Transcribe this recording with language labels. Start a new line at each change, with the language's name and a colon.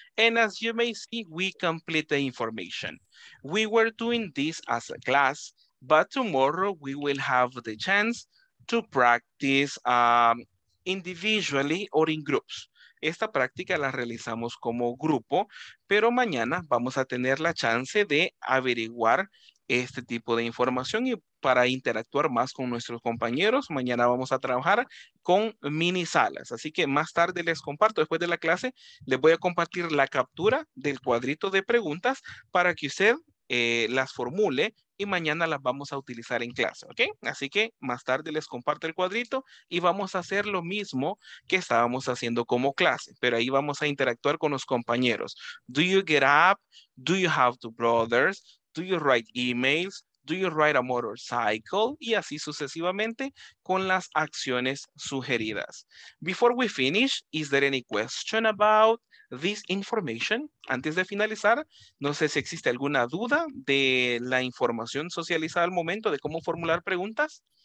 English: And as you may see, we complete the information. We were doing this as a class, but tomorrow we will have the chance to practice individually or in groups.
Spanish: Esta práctica la realizamos como grupo, pero mañana vamos a tener la chance de averiguar este tipo de información y para interactuar más con nuestros compañeros. Mañana vamos a trabajar con mini salas. Así que más tarde les comparto, después de la clase, les voy a compartir la captura del cuadrito de preguntas para que usted las formule y mañana las vamos a utilizar en clase, ¿ok? Así que más tarde les comparto el cuadrito y vamos a hacer lo mismo que estábamos haciendo como clase, pero ahí vamos a interactuar con los compañeros.
English: Do you get up? Do you have two brothers? Do you write emails? Do you ride a motorcycle?
Spanish: Y así sucesivamente con las acciones sugeridas.
English: Before we finish, is there any question about this information?
Spanish: Antes de finalizar, no sé si existe alguna duda de la información socializada al momento de cómo formular preguntas.